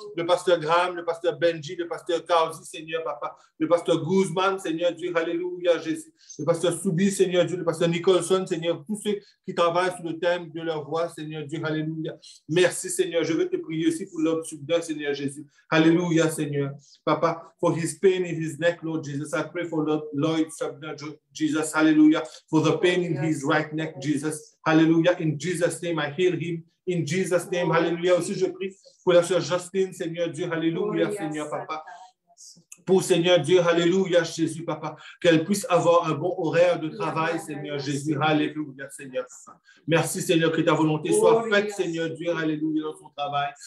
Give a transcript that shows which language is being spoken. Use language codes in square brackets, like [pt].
[fr] Le pasteur Graham, le pasteur Benji, le pasteur Kauzi, Seigneur, Papa. Le pasteur Guzman, Seigneur Dieu, alléluia, Jésus. Le pasteur Soubi, Seigneur Dieu, le pasteur Nicholson, Seigneur, tous ceux qui travaillent sous le thème de leur voix, Seigneur Dieu, alléluia. Merci, Seigneur, je veux te prier aussi pour l'homme soudain, Seigneur Jésus. Alléluia. Alléluia, Seigneur. [en] Papa, for his pain in his neck, Lord Jesus, I pray for Lloyd Subner, Jesus, hallelujah, for the pain in his right neck, Jesus, hallelujah, in Jesus' name, I heal him, in Jesus' name, hallelujah. [fr] Aussi, je prie pour la soeur Justine, Seigneur Dieu, hallelujah, Seigneur, Papa. Pour Seigneur Dieu, alléluia, Jésus, Papa, qu'elle puisse avoir un bon horaire de travail, Seigneur Jésus, alléluia, Seigneur, Papa. Merci, Seigneur, que ta volonté soit faite, Seigneur Dieu, alléluia, dans son travail.